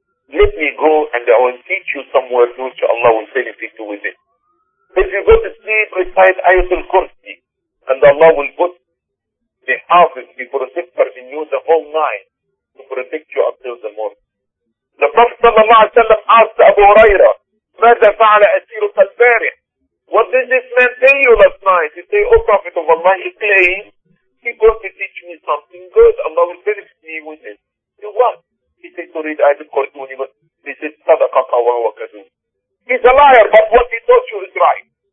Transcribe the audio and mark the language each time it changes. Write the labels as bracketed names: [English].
[English] Let me go and I will teach you some words which Allah will benefit you with it. If you go to sleep, recite Ayatul Kursi, and Allah will put the hafiz, the protector in you the whole night, to protect you until the morning. The Prophet asked Abu Huraira, [Arabic] ماذا فعل أسيرك البارح? [English] What did this man tell you last night? He said, oh Prophet of Allah, he claimed, he going to teach me something good. Allah will benefit me with it. He said, what? He said, to read Ayatul Kursi. He said, [Arabic] صدقك وهو كذوب. [English] He's a liar, but what he taught you is right.